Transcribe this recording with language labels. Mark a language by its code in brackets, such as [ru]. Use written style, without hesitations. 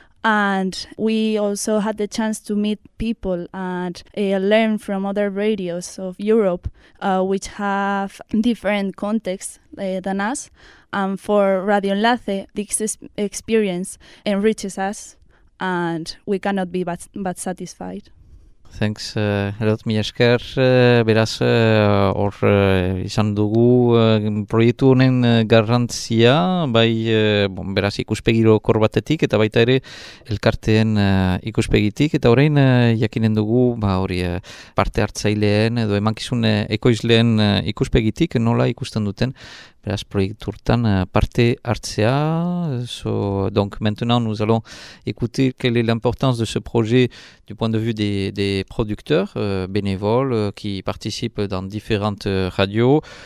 [en] And we also had the chance to meet people and learn from other radios of Europe, which have different contexts than us. And for Radio Enlace, this experience enriches us and we cannot be but satisfied. [eu] Thanks, erot mila esker, beraz, hor izan dugu proiektu honen garrantzia, bai, bon, beraz, ikuspegiro kor batetik, eta baita ere, elkarteen ikuspegitik, eta orain, jakinen dugu, ba, hori, parte hartzaileen, edo emankizun ekoizleen ikuspegitik, nola ikusten duten, beraz proiektu hortan parte hartzea. [fr] So, donc maintenant nous allons écouter quelle est l'importance de ce projet du point de vue des producteurs bénévoles qui participent dans différentes radios.